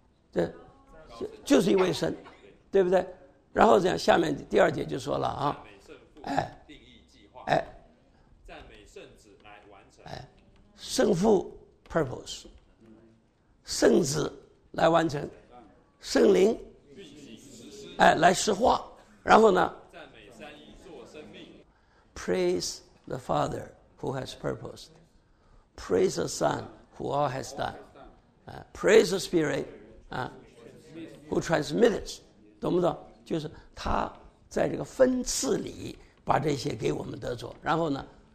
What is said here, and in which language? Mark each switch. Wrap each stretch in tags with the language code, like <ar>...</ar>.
<zh>这就是一位神，对不对？然后这样，下面第二节就说了啊，赞美圣父，定义计划，哎，赞美圣子，来圣父 purpose， 圣子来完成，圣灵哎来实化，然后呢？赞美三一做生命。</zh> <en>Praise the Father who has purposed. Praise the Son who all has done. Praise the Spirit who transmits.</en> <zh>懂不懂？就是他在这个分次里把这些给我们得着，然后呢？</zh>